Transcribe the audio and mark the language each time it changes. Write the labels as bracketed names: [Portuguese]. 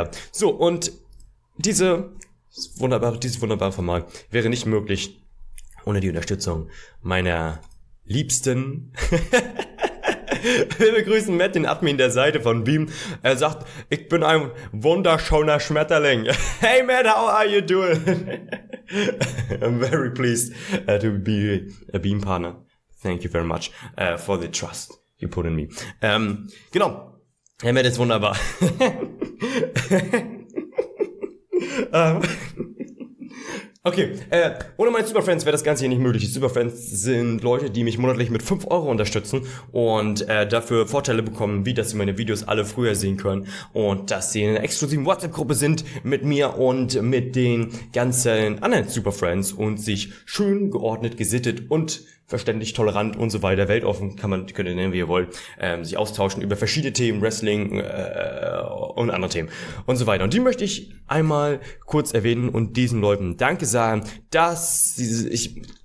[German] So, und dieses wunderbare Format wäre nicht möglich ohne die Unterstützung meiner Liebsten. Wir begrüßen Matt, den Admin der Seite von Beam. Er sagt, ich bin ein wunderschöner Schmetterling. [English] Hey Matt, how are you doing? I'm very pleased to be a Beam partner. Thank you very much for the trust you put in me. [German] Genau, hey Matt ist wunderbar. Okay, ohne meine Superfans wäre das Ganze hier nicht möglich. Die Superfans sind Leute, die mich monatlich mit 5 Euro unterstützen und dafür Vorteile bekommen, wie dass sie meine Videos alle früher sehen können und dass sie in einer exklusiven WhatsApp-Gruppe sind mit mir und mit den ganzen anderen Superfans und sich schön geordnet, gesittet und verständlich, tolerant und so weiter, weltoffen, könnt ihr nennen, wie ihr wollt, sich austauschen über verschiedene Themen, Wrestling und andere Themen und so weiter. Und die möchte ich einmal kurz erwähnen und diesen Leuten Danke sagen, dass sie, ich,